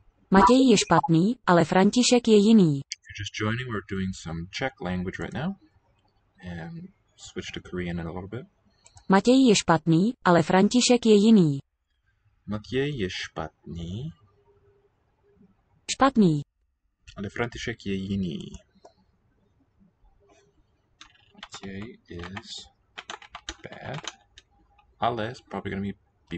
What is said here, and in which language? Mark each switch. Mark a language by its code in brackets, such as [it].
[cs] Matěj je špatný, ale František je jiný. [en] If you're just joining, we're doing some Czech language right now. And switch to Korean in a little bit. [cs] Matěj je špatný, ale František je jiný. Matěj je špatný. Špatný. Ale František je jiný. [en] Matěj is bad. Ale is probably going to be